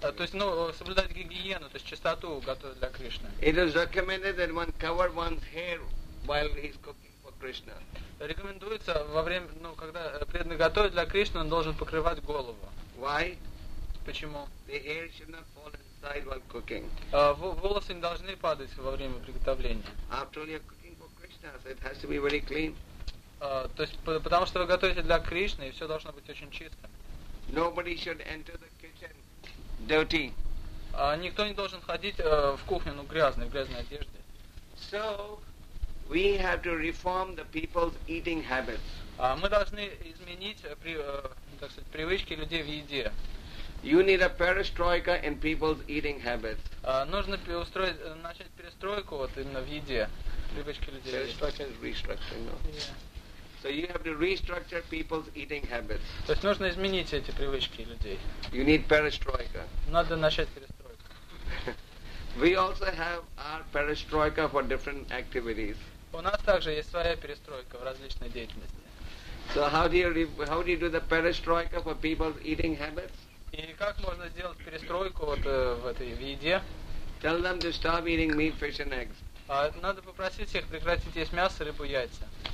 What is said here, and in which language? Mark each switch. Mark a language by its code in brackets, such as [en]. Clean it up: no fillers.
[ru] То есть, соблюдать гигиену, то есть чистоту, готовить для Кришны. [en] It is recommended that one cover one's hair while he's cooking for Krishna. [ru] Рекомендуется во время, когда преданный готовит для Кришны, он должен покрывать голову. [en] Why? [ru] Почему? [en] The hair should not fall inside while cooking. [ru] Волосы не должны падать во время приготовления. [en] After all, you're cooking for Krishna, so it has to be very clean. [ru] То есть, потому что вы готовите для Кришны, и все должно быть очень чисто. [en] Nobody should enter the kitchen dirty. [ru] Никто не должен ходить в кухню, в грязной одежде. [en] So, we have to reform the people's eating habits. [ru] Мы должны изменить привычки людей в еде. [en] You need a perestroika in people's eating habits. [ru] Нужно начать перестройку именно в еде, привычки людей. [en] Perestroika is restructuring, no? So you have to restructure people's eating habits. [ru] То есть нужно изменить эти привычки людей. [en] You need perestroika. [ru] Надо начать перестройку. [en] We also have our perestroika for different activities. [ru] У нас также есть своя перестройка в различной деятельности. [en] So how do you do the perestroika for people's eating habits? [ru] И как можно сделать перестройку в этой еде? [en] Tell them to stop eating meat, fish and eggs. [ru] Надо попросить всех прекратить есть мясо, рыбу, яйца.